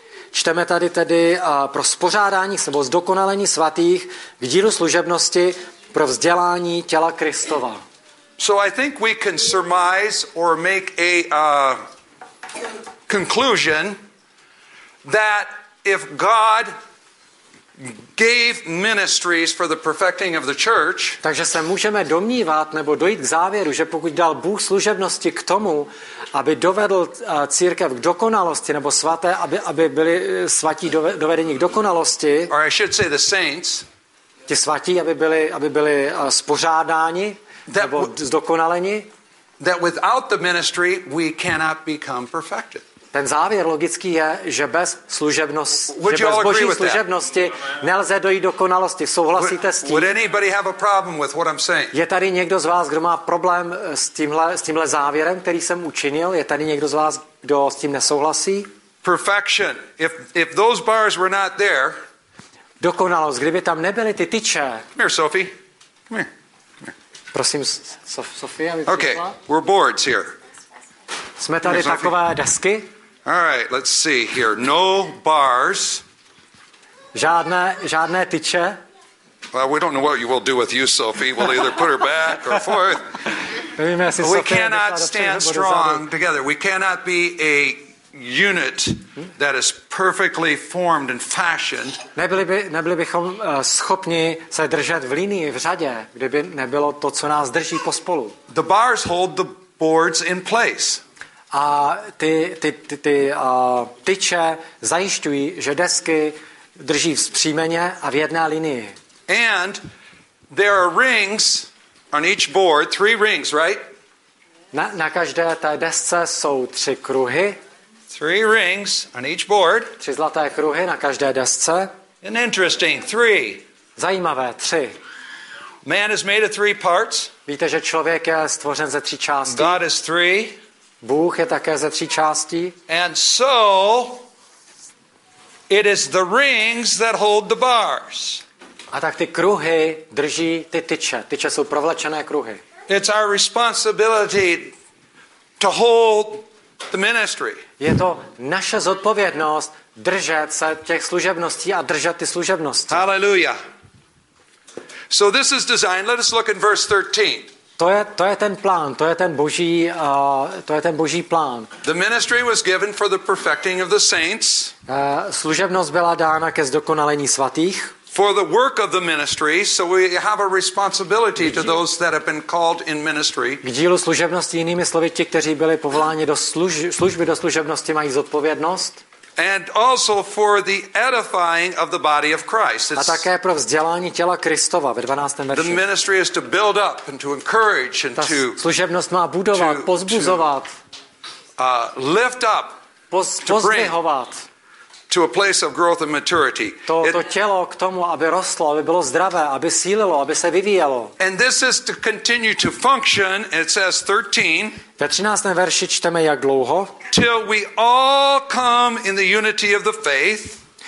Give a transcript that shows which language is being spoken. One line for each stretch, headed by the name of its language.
Czech: Čteme tady pro spořádání nebo zdokonalení svatých k dílu služebnosti pro vzdělání těla Kristova.
English: So I think we can surmise or make a conclusion that if God gave ministries for the perfecting of the church,
Czech: takže se můžeme domnívat nebo dojít k závěru, že pokud dal Bůh služebnosti k tomu, aby dovedl církev k dokonalosti nebo svaté, aby byli svatí dovedení k dokonalosti,
English: or I should say the saints,
Czech: ti svatí, aby byli spořádáni nebo zdokonaleni,
English: that without the ministry we cannot become perfected.
Czech: Ten závěr logický je, že bez boží služebnosti nelze dojít dokonalosti. Souhlasíte s tím?
English: Would anybody have a problem with what I'm saying?
Czech: Je tady někdo z vás, kdo má problém s tímhle závěrem, který jsem učinil? Je tady někdo z vás, kdo s tím nesouhlasí?
English: Perfection. If those bars were not there.
Czech: Dokonalost, kdyby tam nebyly ty tyče.
English: Come here, Sophie. Come here.
Czech: Prosím, Sophie, aby přišla.
English: Okay, we're boards here.
Czech: Jsme tady takové desky.
English: All right, let's see here. No bars.
Czech: Žádné tyče.
English: Well, we don't know what you will do with you, Sophie. We'll either put her back or forth. We cannot stand strong together. We cannot be a unit that is perfectly formed and fashioned.
Czech: Nebyli bychom schopni se držet v linii, v řadě, kdyby nebylo to, co nás drží pospolu.
English: The bars hold the boards in place.
Czech: A ty tyče zajišťují, že desky drží vzpřímeně a v jedné linii.
English: And there are rings on each board, three rings, right?
Czech: Na každé té desce jsou tři kruhy.
English: Three rings on each board.
Czech: Tři zlaté kruhy na každé desce.
English: And interesting, three.
Czech: Zajímavé, tři.
English: Man is made of three parts.
Czech: Víte, že člověk je stvořen ze tří částí.
English: God is three.
Czech: Bůh je také ze tří částí.
English: And so it is the rings that hold the bars.
Czech: A tak ty kruhy drží ty tyče. Tyče jsou provlečené kruhy.
English: It's our responsibility to hold the ministry.
Czech: Je to naše zodpovědnost držet se těch služebností a držet ty služebnosti.
English: Hallelujah. So this is designed. Let us look in verse 13.
Czech: To je ten plán, to je ten boží plán.
English: The ministry was given for the perfecting of the saints.
Czech: Služebnost byla dána ke zdokonalení svatých.
English: for the work of the ministry, so we have a responsibility to those that have been called in ministry.
Czech: K dílu služebnosti, jinými slovy, ti, kteří byli povoláni do služby, do služebnosti, mají zodpovědnost.
English: And also for the edifying of the body of Christ.
Czech: A také pro vzdělání těla Kristova ve 12. verši.
English: The ministry is to build up and to encourage and to
Czech: služebnost má budovat, pozbuzovat.
English: Lift up,
Czech: pozdvihovat.
English: To a place of growth and maturity.
Czech: To tělo k tomu, aby rostlo, aby bylo zdravé, aby sílilo, aby se vyvíjelo.
English: And this is to continue to function, it says 13.
Czech: Ve 13. verši čteme, jak dlouho.
English: Till we all come in the unity of the faith.